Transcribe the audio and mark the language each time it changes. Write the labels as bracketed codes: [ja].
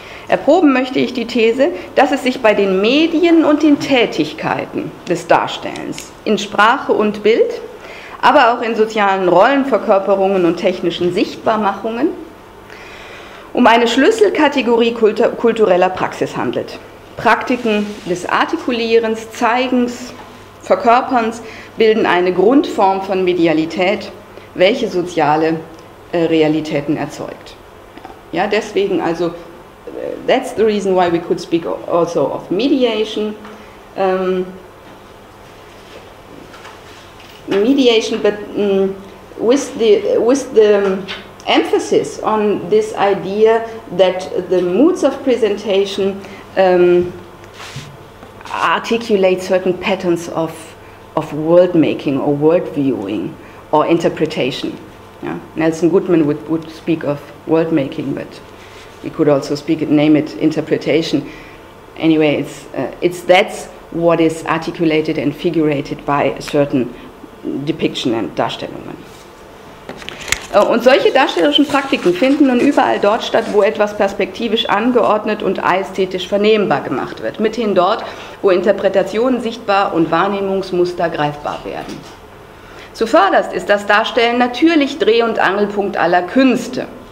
[de] Erproben möchte ich die These, dass es sich bei den Medien und den Tätigkeiten des Darstellens in Sprache und Bild, aber auch in sozialen Rollenverkörperungen und technischen Sichtbarmachungen um eine Schlüsselkategorie kultureller Praxis handelt. Praktiken des Artikulierens, Zeigens, Verkörperns bilden eine Grundform von Medialität, welche soziale Realitäten erzeugt. Ja, deswegen also, [en] that's the reason why we could speak also of mediation. Mediation, but with the emphasis on this idea that the moods of presentation articulate certain patterns of world making or world viewing or interpretation. Yeah. Nelson Goodman would speak of world making, but we could also name it interpretation. Anyway, that's what is articulated and figurated by a certain depiction and Darstellungen. [de] Und solche darstellerischen Praktiken finden nun überall dort statt, wo etwas perspektivisch angeordnet und ästhetisch vernehmbar gemacht wird. Mithin dort, wo Interpretationen sichtbar und Wahrnehmungsmuster greifbar werden. Zuvörderst ist das Darstellen natürlich Dreh- und Angelpunkt aller Künste.